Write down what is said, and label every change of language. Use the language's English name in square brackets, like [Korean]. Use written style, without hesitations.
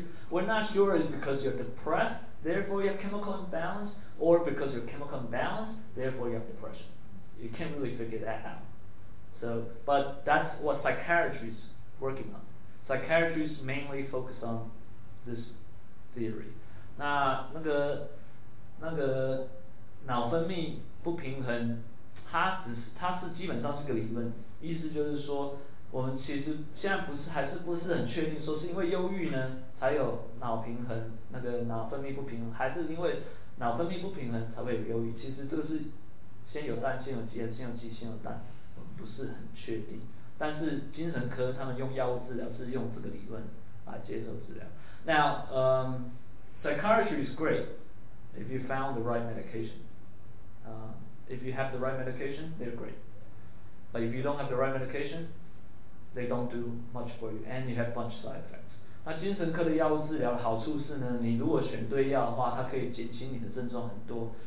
[English] We're not sure it's because you're depressed, therefore you have chemical imbalance, or because you're chemical imbalanced, therefore you have depression. You can't really figure that out. So, but that's what psychiatry is working on. Psychiatry is mainly focused on this theory. [Chinese] 那个脑分泌不平衡，它是基本上是个理论，意思就是说我们其实现在还是不是很确定说是因为忧郁呢才有脑平衡，那个脑分泌不平衡，还是因为脑分泌不平衡才会有忧郁，其实这个是先有蛋先有鸡，先有鸡先有蛋，我们不是很确定，但是精神科他们用药物治疗是用这个理论来接受治疗。 [English] Now psychiatry is great if you found the right medication. If you have the right medication, they're great, but if you don't have the right medicationThey don't do much for you, and you have a bunch of side effects. [Chinese] 那精神科的药物治疗的好处是呢，你如果选对药的话，它可以减轻你的症状很多。